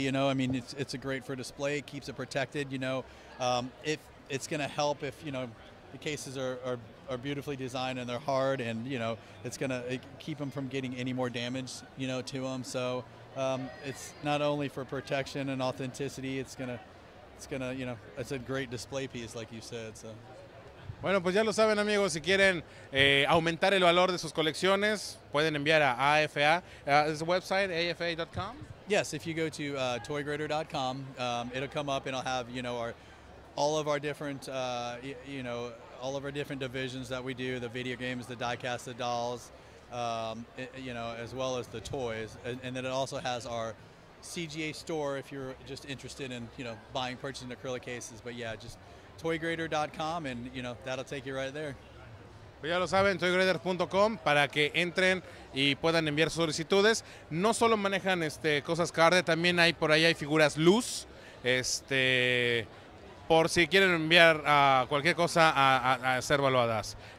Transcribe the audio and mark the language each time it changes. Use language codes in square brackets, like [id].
[en] You know, I mean, it's a great for display. It keeps it protected. You know, if it's going to help if, you know, the cases are beautifully designed and they're hard, and you know it's gonna keep them from getting any more damage, you know, to them. So it's not only for protection and authenticity, it's gonna you know, it's a great display piece, like you said. So [es] bueno, pues ya lo saben, amigos, si quieren aumentar el valor de sus colecciones, pueden enviar a AFA. [en] Is the website afa.com? Yes, if you go to toygrader.com, it'll come up and I'll have, you know, all of our different divisions that we do, the video games, the diecast, the dolls, you know, as well as the toys. And then it also has our CGA store if you're just interested in, you know, buying, purchasing acrylic cases. But yeah, just toygrader.com and, you know, that'll take you right there. [es] Pues ya lo saben, toygrader.com, para que entren y puedan enviar solicitudes. No solo manejan cosas card, también hay por ahí hay figuras luz, por si quieren enviar cualquier cosa a ser evaluadas.